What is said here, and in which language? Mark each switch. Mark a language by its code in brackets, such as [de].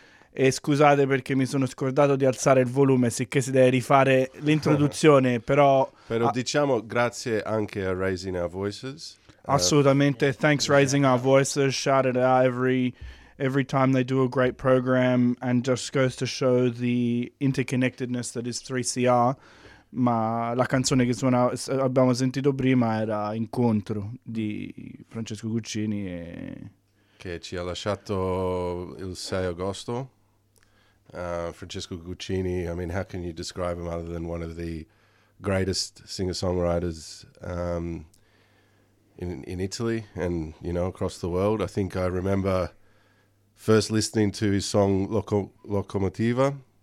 [it] E scusate perché mi sono scordato di alzare il volume, sicché si deve rifare l'introduzione, però... Però diciamo grazie anche a Raising Our Voices. [en] Assolutamente, thanks Raising Our Voices, shout it out every time they do a great program, and just goes to show the interconnectedness that is 3CR. [it] Ma la canzone che abbiamo sentito prima era Incontro di Francesco Guccini e... che ci ha lasciato il 6 agosto. [en] Francesco Guccini, I mean, how can you describe him other than one of the greatest singer-songwriters in Italy and, you know, across the world? I think I remember first listening to his song Locomotiva.